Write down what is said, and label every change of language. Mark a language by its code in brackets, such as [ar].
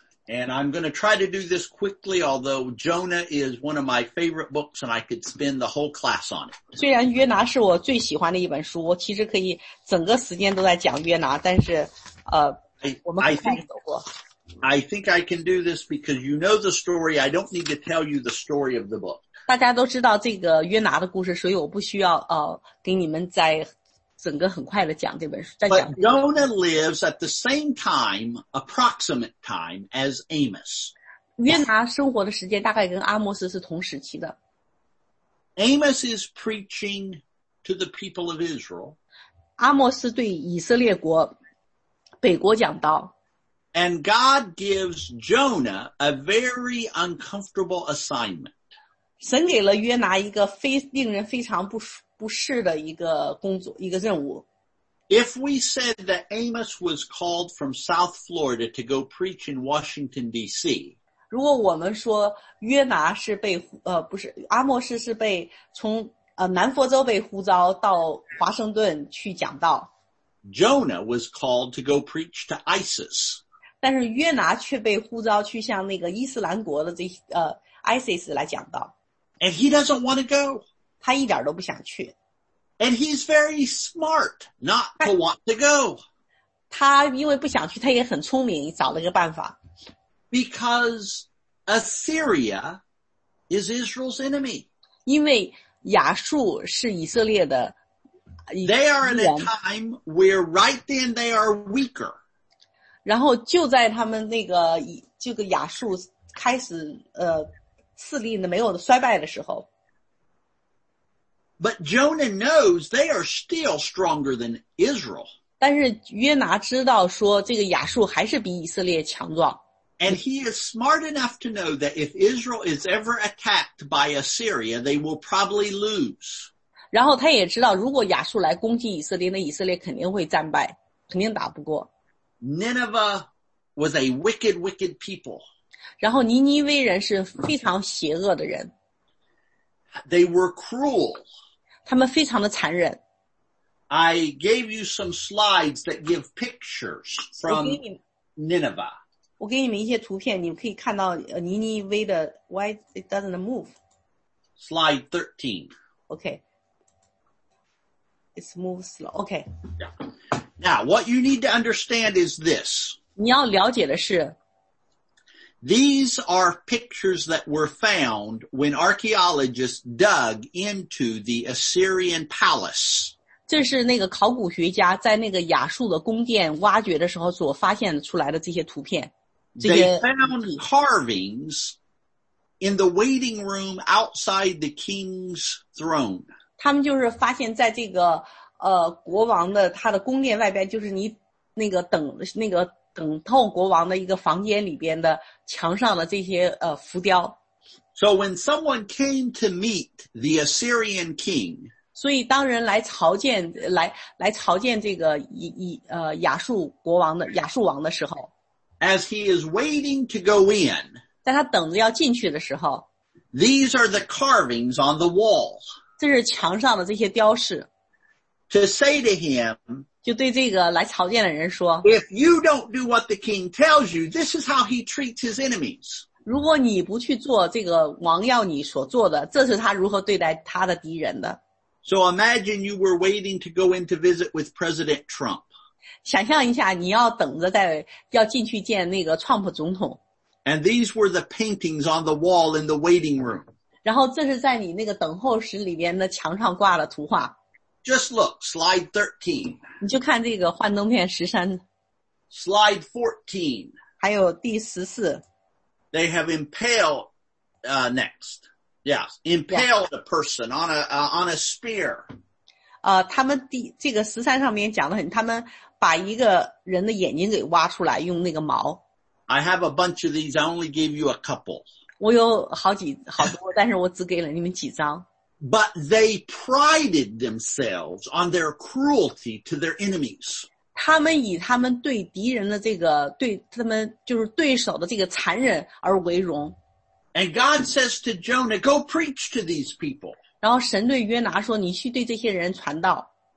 [en] And I'm going to try to do this quickly, although Jonah is one of my favorite books and I could spend the whole class on it. [zh] 虽然约拿是我最喜欢的一本书，我其实可以整个时间都在讲约拿，但是我们可以看走过。 [en] I think I can do this because you know the story. I don't need to tell you the story of the book. [zh] 大家都知道这个约拿的故事，所以我不需要给你们再整个很快的讲这本书。 [en] But Jonah lives at the same time, approximate time as Amos. [zh] 约拿生活的时间大概跟阿摩斯是同时期的。 [en] Amos is preaching to the people of Israel. [zh] 阿摩斯对以色列国北国讲道。 [en] And God gives Jonah a very uncomfortable assignment. [zh] 神给了约拿一个令人非常不适的一个工作，一个任务。 [en] If we said that Amos was called from South Florida to go preach in Washington D.C. [zh] 如果我们说约拿是被不是阿摩斯是被从南佛州被呼召到华盛顿去讲道。 [en] Jonah was called to go preach to ISIS. [zh] 但是约拿却被呼召去向那个伊斯兰国的这ISIS 来讲道。 [en] And he doesn't want to go. [zh] 他一点都不想去。 [en] And he's very smart not to want to go. [zh] 他因为不想去，他也很聪明，找了个办法。 [en] Because Assyria is Israel's enemy. [zh] 因为亚述是以色列的。 [en] They are in a time where right then they are weaker. [zh] 然后就在他们那个这个亚述开始势力的没有的衰败的时候。 [en] But Jonah knows they are still stronger than Israel. [zh] 但是约拿知道说这个亚述还是比以色列强壮。 [en] And he is smart enough to know that if Israel is ever attacked by Assyria, they will probably lose. [zh] 然后他也知道如果亚述来攻击以色列那以色列肯定会战败肯定打不过。 [en] Nineveh was a wicked, wicked people. [zh] 然后尼尼微人是非常邪恶的人。 [en] They were cruel. [zh] 他们非常的残忍。 [en] I gave you some slides that give pictures from Nineveh. [zh] 我给你们一些图片你们可以看到尼尼微的 [en] why it doesn't move. Slide 13. Okay. It's move slow. Okay. Yeah. Now, what you need to understand is this. [zh] 你要了解的是 [en] These are pictures that were found when archaeologists dug into the Assyrian palace. [zh] 这是那个考古学家在那个亚述的宫殿挖掘的时候所发现出来的这些图片。 [en] They found carvings in the waiting room outside the king's throne. [zh] 他们就是发现在这个国王的他的宫殿外边就是你那个等候国王的一个房间里边的墙上的这些浮雕。 [en] So when someone came to meet the Assyrian king, [zh] 所以当人来朝见来朝见这个亚述国王的亚述王的时候 [en] ,as he is waiting to go in, [zh] 在他等着要进去的时候 [en] ,these are the carvings on the walls. [zh] 这是墙上的这些雕饰。 [en] To say to him, [zh] 就对这个来朝见的人说 [en] If you don't do what the king tells you, this is how he treats his enemies. [zh] 如果你不去做这个王要你所做的这是他如何对待他的敌人的。 [en] So imagine you were waiting to go in to visit with President Trump. [zh] 想象一下你要等着在要进去见那个川普总统。 [en] And these were the paintings on the wall in the waiting room. [zh] 然后这是在你那个等候室里边的墙上挂了图画。 [en] Just look, slide 13. [zh] 你就看这个幻灯片13。 [en] Slide 14. [zh] 还有第14。 [en] They have impaled, next. Yes, impaled a person on a spear. [zh] 他们这个13上面讲得很他们把一个人的眼睛给挖出来用那个毛。 [en] I have a bunch of these, I only gave you a couple. [zh] 我有好几好多但是我只给了你们几张。 [en] But they prided themselves on their cruelty to their enemies. [zh] 他们以他们对敌人的这个对他们就是对手的这个残忍而为荣。 [en] And God says to Jonah, go preach to these people. [zh] 然后神对约拿说你去对这些人传道。